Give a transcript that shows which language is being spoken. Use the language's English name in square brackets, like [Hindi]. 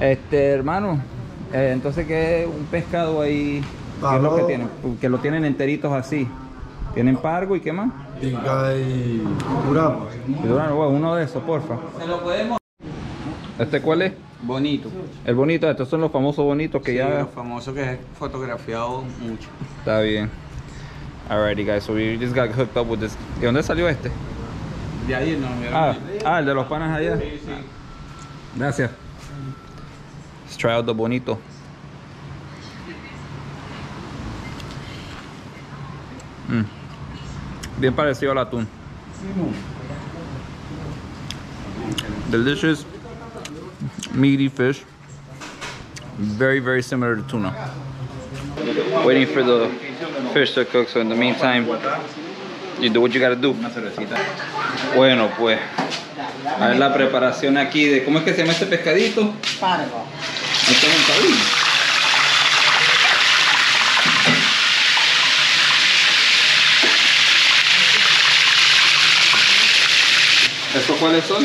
[Spanish] Hermano, entonces, ¿qué es un pescado ahí? ¿Qué es lo que tienen? Que lo tienen enteritos así. ¿Tienen pargo y qué más? Inca y durano. Y durano, güey, uno de esos, porfa. Se lo podemos. ¿Este cuál es? Bonito. El bonito, estos son los famosos bonitos que sí, ya. Los famosos que he fotografiado mucho. Está bien. [English] Alrighty, guys, so we just got hooked up with this. [Spanish] ¿Y dónde salió este? De ahí, no, ah, el de los panas allá. Sí, sí. Gracias. [English] Let's try out the bonito. [Spanish] Bien parecido al atún. [English] Delicious. Meaty fish, very, very similar to tuna. Waiting for the fish to cook, so in the meantime, you do what you gotta do. [Spanish] Bueno, pues, a ver la preparación aquí de, ¿cómo es que se llama este pescadito? Pargo. Esto es un tabín. ¿Estos cuáles son?